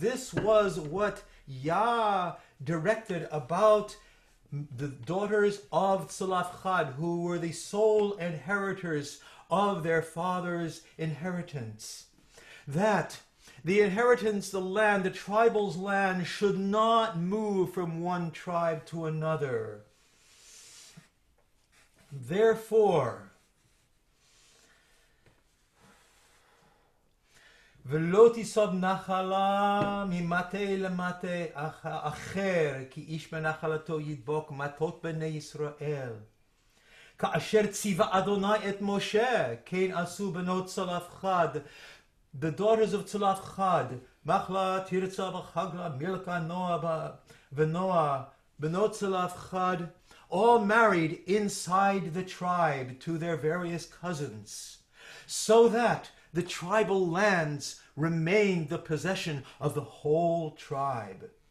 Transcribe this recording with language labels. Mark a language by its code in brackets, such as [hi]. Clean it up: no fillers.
[en] This was what Yah directed about the daughters of Tzalachad, who were the sole inheritors of their father's inheritance. That the inheritance, the land, the tribal's land, should not move from one tribe to another. Therefore, [he] ולא תיסוד נחלה ממטה למטה אחר, כי איש בנחלתו ידבוק מטות בני ישראל. כאשר ציווה אדוני את משה, כן עשו בנות צלפחד, [en] the daughters of צלפחד, מחלה, תרצה וחגלה, מילקה, נועה ונועה, בנות צלפחד, all married inside the tribe to their various cousins, so that the tribal lands remained the possession of the whole tribe.